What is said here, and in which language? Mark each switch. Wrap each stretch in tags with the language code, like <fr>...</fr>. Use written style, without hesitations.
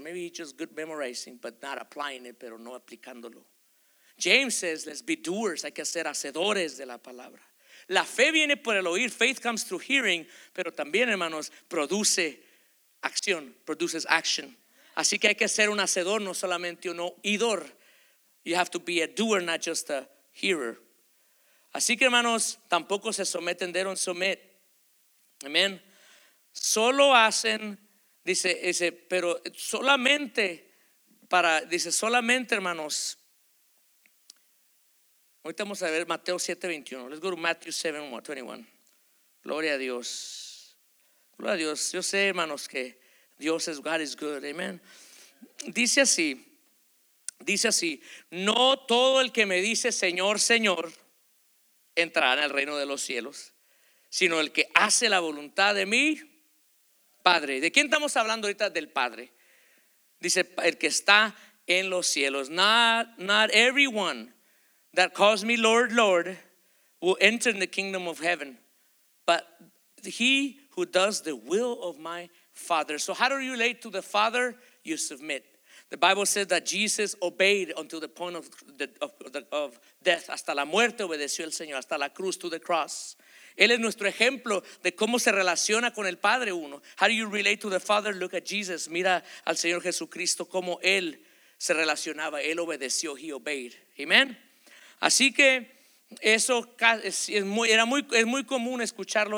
<en>Maybe he's just good memorizing, but not applying it,</en> <es>pero no aplicándolo.</es> <en>James says, let's be doers,</en> <es>hay que ser hacedores de la palabra. La fe viene por el oír,</es> <en>faith comes through hearing,</en> <es>pero también, hermanos, produce acción,</es> <en>produces action.</en> <es>Así que hay que ser un hacedor, no solamente un oidor.</es> <en>You have to be a doer, not just a hearer.</en> <es>Así que, hermanos, tampoco se someten,</es> <en>they don't submit.</en> <es>Amén. Solo hacen, dice, pero solamente para, dice, solamente, hermanos, ahorita vamos a ver Mateo 7:21.</es> <en>Let's go to Matthew 7:21.</en> <es>Gloria a Dios. Gloria a Dios. Yo sé, hermanos, que Dios es,</es> <en>God is good.</en> <es>Amen. Dice así. No todo el que me dice Señor, Señor entrará en el reino de los cielos, sino el que hace la voluntad de mi Padre. ¿De quién estamos hablando ahorita? Del Padre. Dice el que está en los cielos.</es> <en>Not everyone that calls me Lord, Lord, will enter in the kingdom of heaven. But he who does the will of my Father. So how do you relate to the Father? You submit. The Bible says that Jesus obeyed until the point of death.</en> <es>Hasta la muerte obedeció el Señor, hasta la cruz,</es> <en>to the cross.</en> <es>Él es nuestro ejemplo de cómo se relaciona con el Padre uno.</es> <en>How do you relate to the Father? Look at Jesus.</en> <es>Mira al Señor Jesucristo, cómo Él se relacionaba. Él obedeció,</es> <en>he obeyed.</en> <es>Amen. Así que eso es muy común escucharlo.</es>